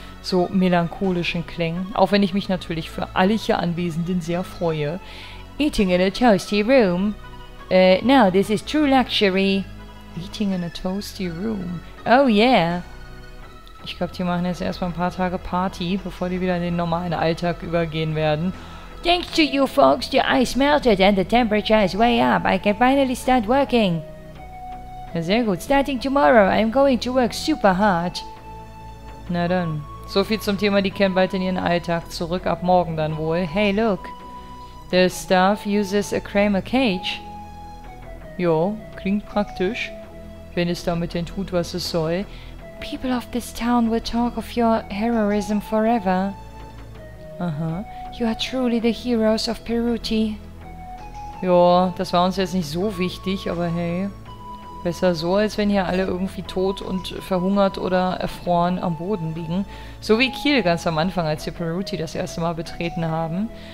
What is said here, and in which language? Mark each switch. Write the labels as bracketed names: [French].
[German] so melancholischen Klängen. Auch wenn ich mich natürlich für alle hier Anwesenden sehr freue. [English] Eating in a toasty room. No, this is true luxury. Eating in a toasty room. Oh yeah. [German] Ich glaube, die machen jetzt erstmal ein paar Tage Party, bevor die wieder in den normalen Alltag übergehen werden. [English] Thanks to you folks, the ice melted and the temperature is way up. I can finally start working. [German] Ja, sehr gut. [English] Starting tomorrow, I'm going to work super hard. [German] Na dann. So viel zum Thema, die kehren bald in ihren Alltag zurück, ab morgen dann wohl. [English] Hey, look. The staff uses a Kramer cage. [German] Jo, klingt praktisch. Wenn es damit denn tut, was es soll. [English] People of this town will talk of your heroism forever. Aha. You are truly the heroes of Peruti. [German] Jo, das war uns jetzt nicht so wichtig, aber hey. Besser so, als wenn hier alle irgendwie tot und verhungert oder erfroren am Boden liegen. So wie Kiel ganz am Anfang, als wir Peruti das erste Mal betreten haben.